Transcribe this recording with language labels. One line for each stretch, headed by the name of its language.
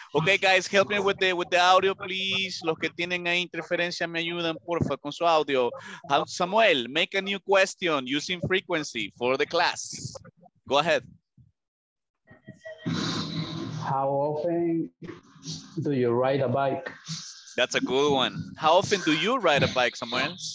English: Okay, guys, help me with the audio, please.
Spanish: Los que tienen ahí interferencia, me ayudan, porfa, con su audio.
English: Samuel, make a new question using frequency for the class. Go ahead. How often do you ride a bike? That's a good one. How often do you ride a bike, Samuel?